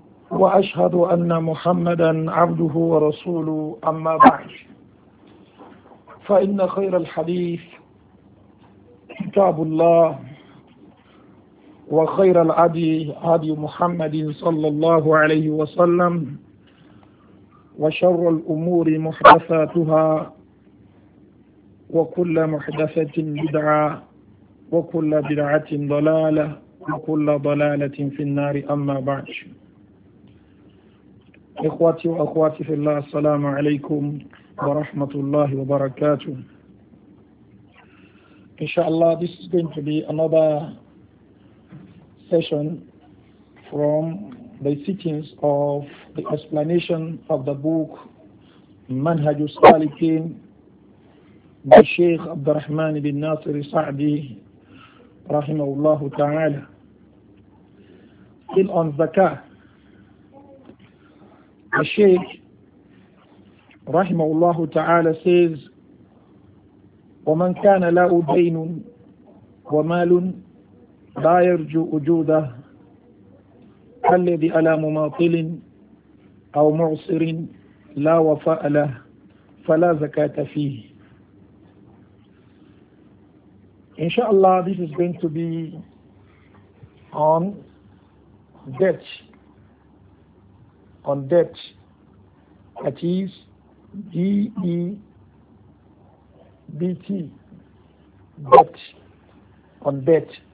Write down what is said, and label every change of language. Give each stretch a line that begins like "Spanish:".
Arabic: وأشهد أن محمدا عبده ورسوله، أما بعد، فإن خير الحديث كتاب الله، وخير الهدي هدي محمد صلى الله عليه وسلم، وشر الأمور محدثاتها، وكل محدثة بدعة، وكل بدعة ضلالة، وكل ضلالة في النار، أما بعد. إخواتي وأخواتي في الله، السلام عليكم ورحمة الله وبركاته. إن شاء الله
English: this is going to be another session from the sittings of the explanation of the book منهج السالكين للشيخ عبد الرحمن بن ناصر السعدي رحمه الله تعالى. Still on zakah. The Shaykh
Arabic: رحمه تعالى
English: says,
Arabic: وَمَنْ كَانَ لَهُ دَيْنٌ وَمَالٌ لَا يَرْجُو أُجُودَهُ كَالَّذِي عَلَى مُمَاطِلٍ أَوْ مُعْصِرٍ لَا وَفَاءَ لَهُ فَلَا زَكَاةَ فِيهِ.
English: Inshallah, this is going to be on debt. On debt, that is D-E-B-T, debt, on debt.